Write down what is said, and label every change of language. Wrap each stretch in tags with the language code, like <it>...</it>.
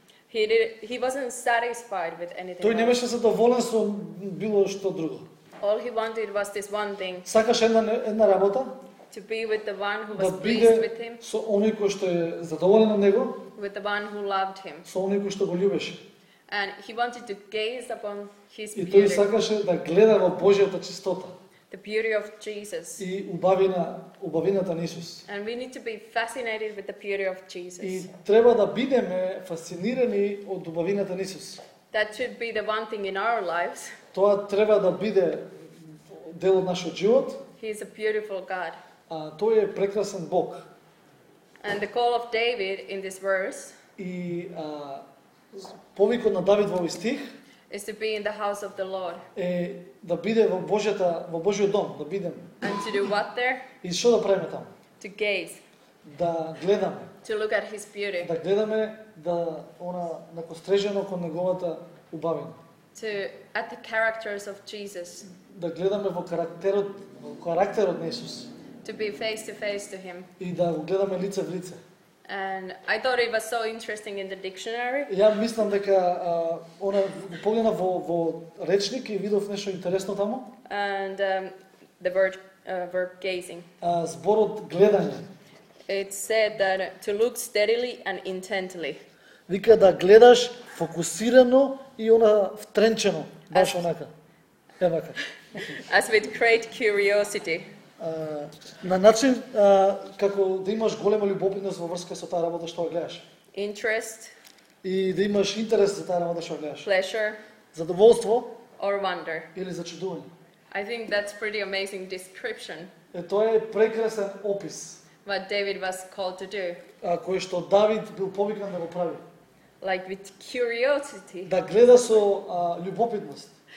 <en>He wasn't satisfied with anything.</en> <mk>Тој не беше задоволен со било што друго.</mk> <en>All he wanted was this one thing.</en> <mk>Сакаш една работа.</mk> <en>To be with the one who was pleased with him.</en> <mk>Со оној кој што е задоволен од него.</mk> <en>With the one who loved him.</en> <mk>Со оној кој што го љубеше.</mk> <en>And he wanted to gaze upon his beauty.</en> <mk>И тој сакаше да гледа во Божјата чистота.</mk> <en>The beauty of Jesus.</en> <mk>И убавината на Исус.</mk> <en>And we need to be fascinated with the beauty of Jesus.</en> <mk>И треба да бидеме фасцинирани од убавината на Исус.</mk> <en>That should be the one thing in our lives.</en> <mk>Тоа треба да биде дел од нашиот живот.</mk> <en>He is a beautiful God.</en> <mk>А тој е прекрасен Бог.</mk> <en>And the call of David in this verse.</en> <mk>И повикот на Давид во овој стих.</mk> <en>Is to be in the house of the Lord.</en> <mk>Е да биде во Божјата, во Божјиот дом, да бидеме.</mk> <en>And to do what there?</en> <mk>И што да правиме таму?</mk> <en>To gaze.</en> <mk>Да гледаме.</mk> <en>To look at his beauty.</en> <mk>Да гледаме да она накострежено кон неговата убавина.</mk> <en>To at the characters of Jesus.</en> <mk>Да гледаме во карактерот на Исус.</mk> <en>To be face to face to him.</en> <mk>И да го гледаме лице в лице.</mk> <en>And I thought it was so interesting in the dictionary.</en> <mk>Ја мислам дека она погледна во речник и видов нешто интересно таму.</mk> <en>And the verb gazing.</en> <mk>Зборот гледање.</mk> <en>It said that to look steadily and intently.</en> <mk>Вика да гледаш фокусирано и она втренчено, баш онака. Евака.</mk> <en>As with great curiosity.</en> <mk>На начин како да имаш голема љубопитност во врска со таа работа што гледаш.</mk> <en>Interest.</en> <mk>И да имаш интерес за таа работа што гледаш.</mk> <en>Pleasure.</en> <mk>Задоволство.</mk> <en>Or wonder.</en> <mk>Или зачудување.</mk> <en>I think that's pretty amazing description.</en> <mk>Тоа е прекрасен опис.</mk> <en>What David was called to do.</en> <mk>Кој што Давид бил повикан да го прави.</mk> <en>Like with curiosity.</en> <mk>Да гледа со љубопитност.</mk>